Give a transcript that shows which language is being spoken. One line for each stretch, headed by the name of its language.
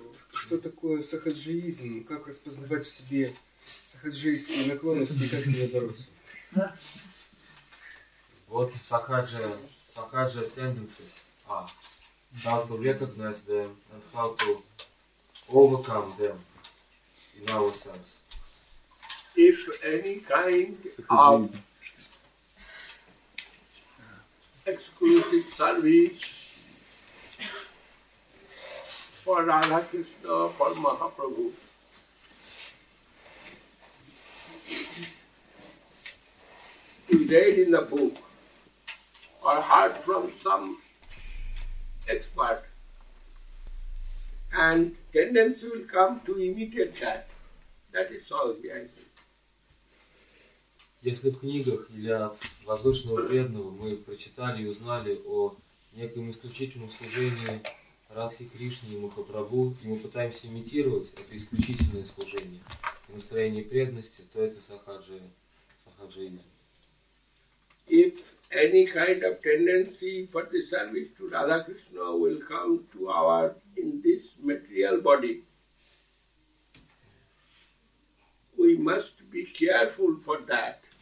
Russian: что такое сахаджиизм, как распознавать в себе сахаджийские наклонности и как с ними бороться. Вот сахаджа
English: tendencies. How to recognize them and how to overcome them in ourselves. If any kind of exclusive service for Radha Krishna, for Mahaprabhu, is read in the book or heard from some expert, and tendency will come to imitate that. That is all the answer.
Russian: Если в книгах или от возвышенного преданного мы прочитали и узнали о неком исключительном служении Радхе Кришне и Махапрабху, и мы пытаемся имитировать это исключительное служение и настроение преданности, то это сахаджиизм.
English: If any kind of tendency for the service to Radha Krishna will come to our in this material body, we must be careful for that.